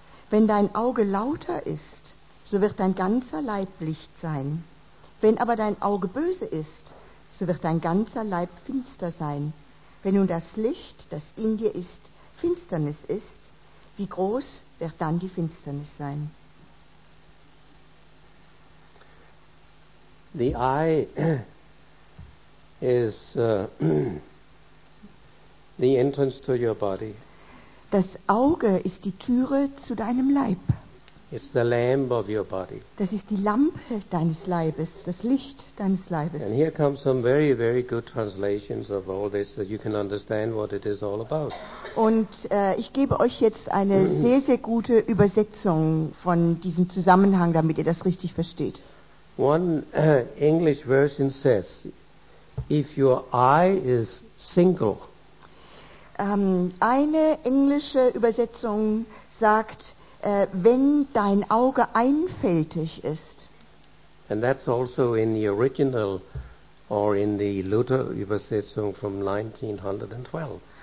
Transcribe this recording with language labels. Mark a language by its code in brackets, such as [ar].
[de] Wenn dein Auge lauter ist, so wird dein ganzer Leib Licht sein. Wenn aber dein Auge böse ist, so wird dein ganzer Leib finster sein. Wenn nun das Licht, das in dir ist, Finsternis ist, wie groß wird dann die Finsternis sein? [en] The eye is the entrance to your body. [de] Das Auge ist die Türe zu deinem Leib. [en] It's the lamp of your body. [de] Das ist die Lampe deines Leibes, das Licht deines Leibes. [en] And here come some very, very good translations of all this, so you can understand what it is all about. [de] Und ich gebe euch jetzt eine sehr, sehr gute Übersetzung von diesem Zusammenhang, damit ihr das richtig versteht. [en] One English version says, if your eye is single. [de] Eine englische Übersetzung sagt, wenn dein Auge einfältig ist. [en] And that's also in the original or in the Luther Übersetzung from 1912.